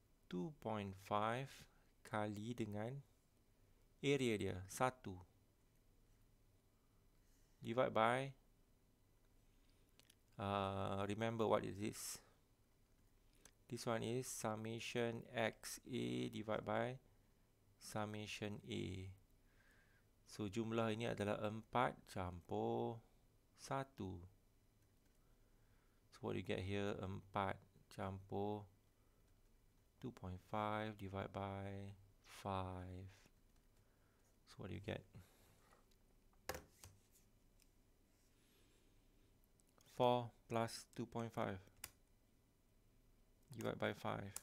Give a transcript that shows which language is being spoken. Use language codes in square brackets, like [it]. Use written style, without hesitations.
[ms] 2.5 kali dengan area dia, 1. [en] Divide by, remember what is this? This one is summation XA divide by summation A. [ms] So jumlah ini adalah 4 campur 1. [en] So what you get here, 4 campur 2.5 divide by 5. So what do you get? 4 plus 2.5 divide by 5.